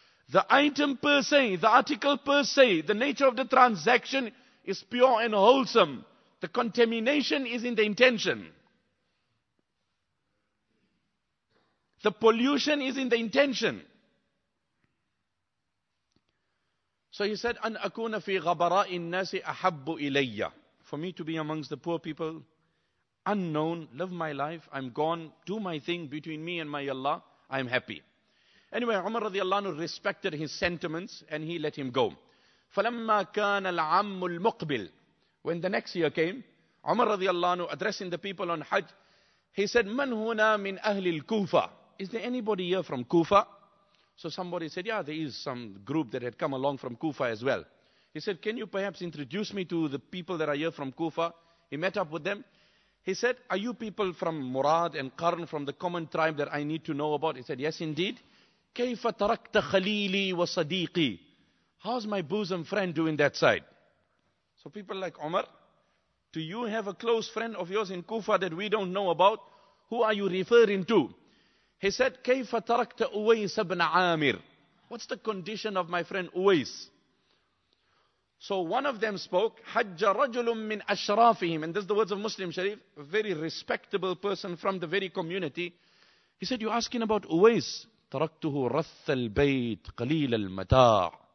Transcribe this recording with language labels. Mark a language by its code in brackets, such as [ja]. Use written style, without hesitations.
[en] The item per se, the article per se, the nature of the transaction is pure and wholesome. The contamination is in the intention. The pollution is in the intention. So he said, [ar] أَنْ أَكُونَ فِي غَبَرَاءِ النَّاسِ أَحَبُّ إِلَيَّ. [en] For me to be amongst the poor people, unknown, live my life, I'm gone, do my thing between me and my Allah, I'm happy. Anyway, Umar radiallahu anhu respected his sentiments and he let him go. [ar] فَلَمَّا كَانَ الْعَمُّ الْمُقْبِلِ. [en] When the next year came, Umar radiallahu anhu addressing the people on Hajj, he said, [ar] مَنْ هُنَا مِنْ أَهْلِ الْكُوفَةِ. [en] Is there anybody here from Kufa? So somebody said, yeah, there is some group that had come along from Kufa as well. He said, can you perhaps introduce me to the people that are here from Kufa? He met up with them. He said, are you people from Murad and Qarn, from the common tribe that I need to know about? He said, yes indeed. [ar] كَيْفَ تَرَكْتَ خَلِيلِي وَصَدِيقِي. [en] How's my bosom friend doing that side? So people like Umar, do you have a close friend of yours in Kufa that we don't know about? Who are you referring to? He said, [ar] كَيْفَ تَرَكْتَ أُوَيْسَ بْنَ عَامِرٍ. [en] What's the condition of my friend Uwais? So one of them spoke, [ar] حَجَّ رَجُلٌ مِّنْ أَشْرَافِهِمْ. [en] And this is the words of Muslim Sharif, a very respectable person from the very community. He said, you're asking about Uwais. [ar] تَرَكْتُهُ رَثَّ الْبَيْتِ قَلِيلَ الْمَتَاعِ.